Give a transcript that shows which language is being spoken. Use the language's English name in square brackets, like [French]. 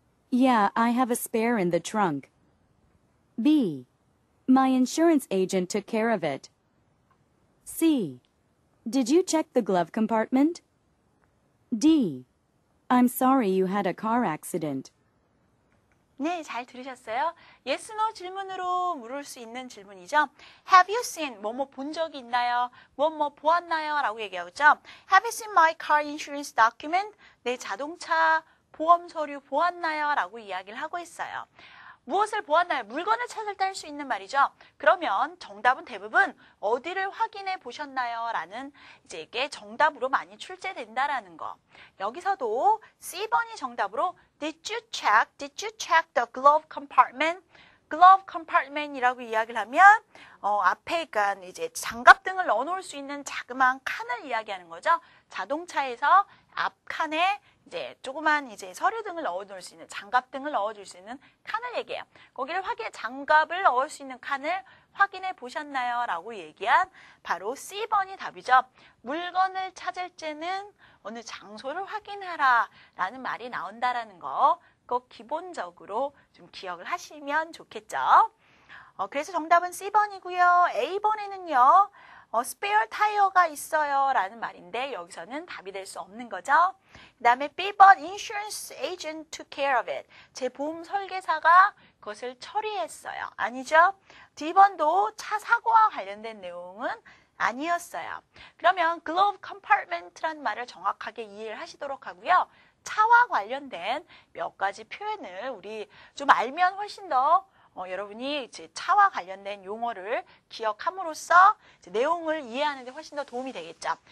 [English] Yeah, I have a spare in the trunk. B. My insurance agent took care of it. C. Did you check the glove compartment? D. I'm sorry you had a car accident. [Korean] 네, 잘 들으셨어요? Yes, no 질문으로 물을 수 있는 질문이죠. [English] Have you seen, [Korean] 뭐뭐 본 적이 있나요? 뭐뭐 보았나요? 라고 얘기하죠. [English] Have you seen my car insurance document? [Korean] 내 자동차 보험 서류 보았나요? 라고 이야기를 하고 있어요. 무엇을 보았나요? 물건을 찾을 때 할 수 있는 말이죠. 그러면 정답은 대부분 어디를 확인해 보셨나요? 라는 이제 이게 정답으로 많이 출제된다라는 거. 여기서도 C번이 정답으로 [English] Did you check the glove compartment? [Korean] Glove compartment이라고 이야기를 하면 앞에 이제 장갑 등을 넣어놓을 수 있는 자그마한 칸을 이야기하는 거죠. 자동차에서 앞 칸에 이제 조그만 이제 서류 등을 넣어놓을 수 있는 장갑 등을 넣어줄 수 있는 칸을 얘기해요. 거기를 확인 장갑을 넣을 수 있는 칸을 확인해 보셨나요?라고 얘기한 바로 C번이 답이죠. 물건을 찾을 때는 어느 장소를 확인하라라는 말이 나온다라는 거 꼭 기본적으로 좀 기억을 하시면 좋겠죠. 그래서 정답은 C번이고요. A번에는요. Spare tire가 있어요 라는 말인데 여기서는 답이 될 수 없는 거죠. 그 다음에 B번 [English] insurance agent took care of it. [Korean] 제 보험 설계사가 그것을 처리했어요. 아니죠? D번도 차 사고와 관련된 내용은 아니었어요. 그러면 glove compartment라는 말을 정확하게 이해를 하시도록 하고요. 차와 관련된 몇 가지 표현을 우리 좀 알면 훨씬 더 여러분이 이제 차와 관련된 용어를 기억함으로써 이제 내용을 이해하는 데 훨씬 더 도움이 되겠죠.